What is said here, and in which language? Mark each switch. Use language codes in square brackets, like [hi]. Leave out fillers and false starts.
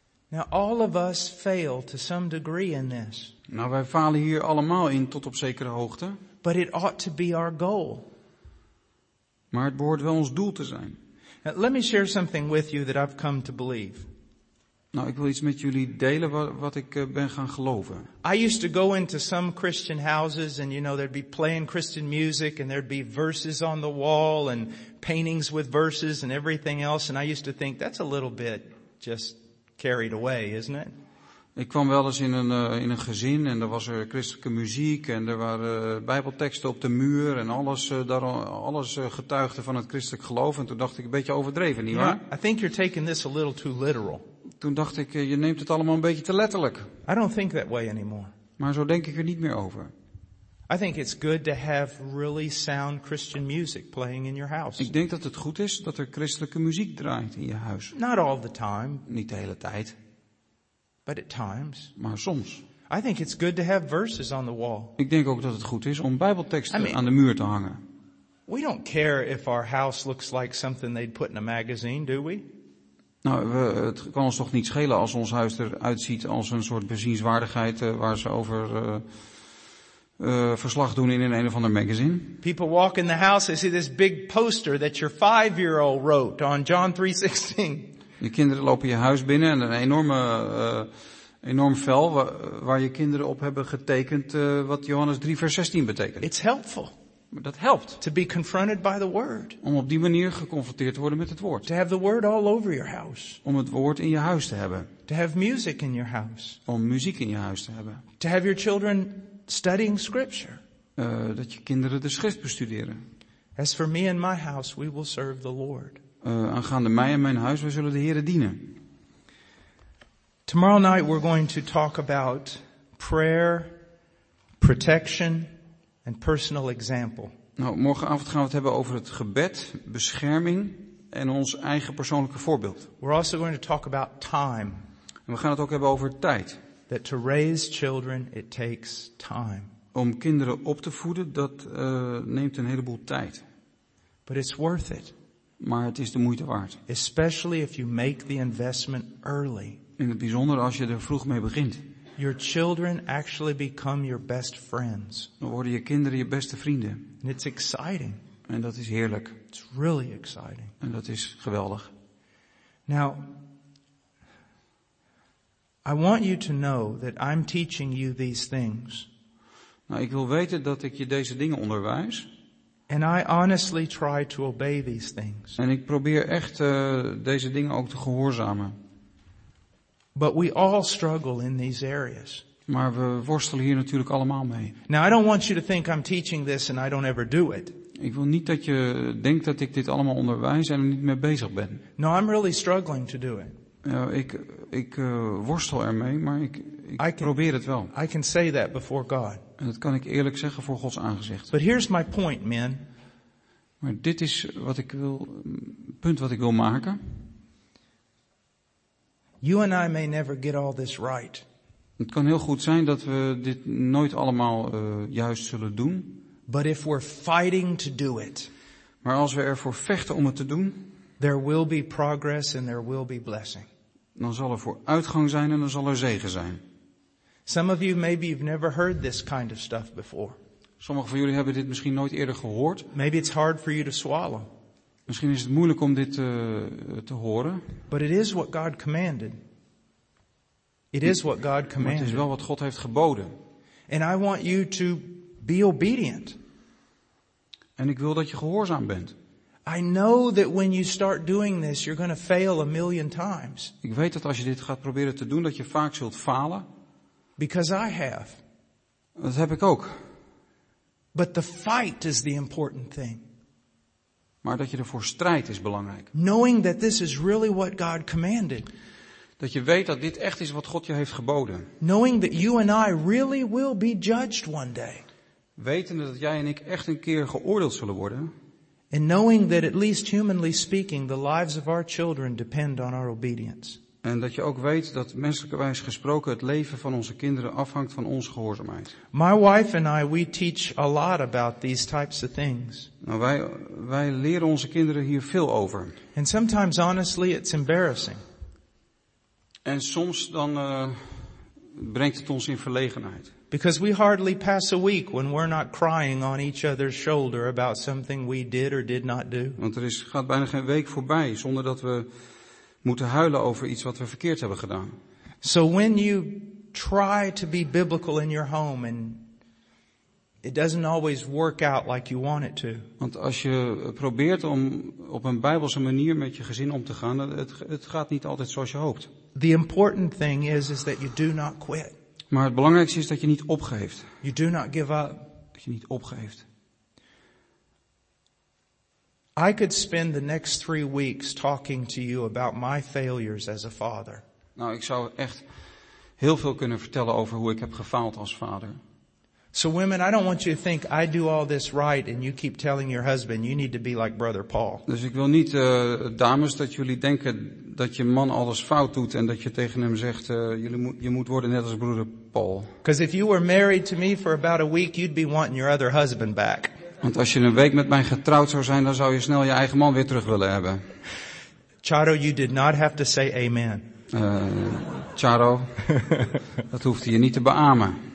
[en] Now all of us fail to some degree in this. [nl] Nou, wij falen hier allemaal in tot op zekere hoogte. [en] But it ought to be our goal. [nl] Maar het behoort wel ons doel te zijn. [en] Let me share something with you that I've come to believe. [nl] Nou, ik wil iets met jullie delen wat ik ben gaan geloven. [en] I used to go into some Christian houses and you know there'd be playing Christian music and there'd be verses on the wall and paintings with verses and everything else, and I used to think that's a little bit just carried away, isn't it? [nl] Ik kwam wel eens in een gezin en er was er christelijke muziek en er waren bijbelteksten op de muur en alles alles getuigde van het christelijk geloof, en toen dacht ik, een beetje overdreven, niet waar? [en] I think you're taking this a little too literal. [nl] Toen dacht ik, je neemt het allemaal een beetje te letterlijk. [en] I don't think that way anymore. [nl] Maar zo denk ik er niet meer over. [en] I think it's good to have really sound Christian music playing in your house. [nl] Ik denk dat het goed is dat er christelijke muziek draait in je huis. [en] Not all the time. [nl] Niet de hele tijd. [en] But at times. [nl] Maar soms. [en] I think it's good to have verses on the wall. [nl] Ik denk ook dat het goed is om bijbelteksten aan de muur te hangen. [en] We don't care if our house looks like something they'd put in a magazine, do we? [nl] Nou, het kan ons toch niet schelen als ons huis eruit ziet als een soort bezienswaardigheid waar ze over verslag doen in een of ander magazine. [en] People walk in the house, they see this big poster that your five-year-old wrote on John 3:16. [nl] Je kinderen lopen je huis binnen en een enorme enorm vel waar je kinderen op hebben getekend wat Johannes 3 vers 16 betekent. [en] It's helpful. [nl] Dat helpt. [en] To be confronted by the word. [nl] Om op die manier geconfronteerd te worden met het woord. [en] To have the word all over your house. [nl] Om het woord in je huis te hebben. [en] To have music in your house. [nl] Om muziek in je huis te hebben. [en] To have your children studying scripture. [nl] Dat je kinderen de schrift bestuderen. [en] As for me and my house, we will serve the Lord. [nl] Aangaande mij en mijn huis, wij zullen de Heere dienen. [en] Tomorrow night we're going to talk about prayer, protection, and personal example. [nl] Nou, morgenavond gaan we het hebben over het gebed, bescherming en ons eigen persoonlijke voorbeeld. [en] We're also going to talk about time. [nl] En we gaan het ook hebben over tijd. [en] That to raise children, it takes time. [nl] Om kinderen op te voeden, dat neemt een heleboel tijd. [en] But it's worth it. [nl] Maar het is de moeite waard. [en] Especially if you make the investment early. [nl] In het bijzonder als je er vroeg mee begint. [en] Your children actually become your best friends. [nl] Dan worden je kinderen je beste vrienden. [en] And it's exciting. [nl] En dat is heerlijk. [en] It's really exciting. [nl] En dat is geweldig. [en] Now, I want you to know that I'm teaching you these things. [nl] Nou, ik wil weten dat ik je deze dingen onderwijs. [en] And I honestly try to obey these things. [nl] En ik probeer echt deze dingen ook te gehoorzamen. [en] But we all struggle in these areas. [nl] Maar we worstelen hier natuurlijk allemaal mee. [en] Now I don't want you to think I'm teaching this and I don't ever do it. [nl] Ik wil niet dat je denkt dat ik dit allemaal onderwijs en er niet mee bezig ben. [en] No, I'm really struggling to do it. [nl] Ik worstel ermee, maar ik probeer het wel. [en] I can say that before God. [nl] En dat kan ik eerlijk zeggen voor Gods aangezicht. [en] But here's my point, men. [nl] Maar dit is wat ik wil, punt wat ik wil maken. [en] You and I may never get all this right. [nl] Het kan heel goed zijn dat we dit nooit allemaal juist zullen doen. [en] But if we're fighting to do it, [nl] maar als we ervoor vechten om het te doen, [en] there will be progress and there will be blessing. [nl] Dan zal er vooruitgang zijn en dan zal er zegen zijn. [en] Some of you maybe you've never heard this kind of stuff before. [nl] Sommigen van jullie hebben dit misschien nooit eerder gehoord. [en] Maybe it's hard for you to swallow. [nl] Misschien is het moeilijk om dit te horen. [en] But it is what God commanded. It is what God commanded. [nl] Maar het is wel wat God heeft geboden. [en] And I want you to be obedient. [nl] En ik wil dat je gehoorzaam bent. [en] I know that when you start doing this, you're going to fail a million times. [nl] Ik weet dat als je dit gaat proberen te doen, dat je vaak zult falen. [en] Because I have. [nl] Dat heb ik ook. [en] But the fight is the important thing. [nl] Maar dat je ervoor strijdt is belangrijk. [en] Knowing that this is really what God commanded. [nl] Dat je weet dat dit echt is wat God je heeft geboden. [en] Knowing that you and I really will be judged one day. [nl] Wetende dat jij en ik echt een keer geoordeeld zullen worden. [en] And knowing that at least humanly speaking the lives of our children depend on our obedience. [nl] En dat je ook weet dat menselijkerwijs gesproken het leven van onze kinderen afhangt van onze gehoorzaamheid. [en] My wife and I, we teach a lot about these types of things. [nl] Nou, wij leren onze kinderen hier veel over. [en] And sometimes honestly it's embarrassing. [nl] En soms dan brengt het ons in verlegenheid. [en] Because we hardly pass a week when we're not crying on each other's shoulder about something we did or did not do. [nl] Want er is, gaat bijna geen week voorbij zonder dat we moeten huilen over iets wat we verkeerd hebben gedaan. [en] So when you try to be biblical in your home and it doesn't always work out like you want it to. [nl] Want als je probeert om op een bijbelse manier met je gezin om te gaan, het gaat niet altijd zoals je hoopt. [en] The important thing is that you do not quit. [nl] Maar het belangrijkste is dat je niet opgeeft. [en] You do not give up. [nl] Dat je niet opgeeft. [en] I could spend the next 3 weeks talking to you about my failures as a father. [nl] Nou, ik zou echt heel veel kunnen vertellen over hoe ik heb gefaald als vader. [en] So women, I don't want you to think I do all this right and you keep telling your husband you need to be like brother Paul. [nl] Dus ik wil niet dames dat jullie denken dat je man alles fout doet en dat je tegen hem zegt je moet worden net als broeder Paul. [en] Because if you were married to me for about a week, you'd be wanting your other husband back. [nl] Want als je een week met mij getrouwd zou zijn, dan zou je snel je eigen man weer terug willen hebben. [en] Charo, you did not have to say amen. [nl] Charo, dat hoefde je niet te beamen.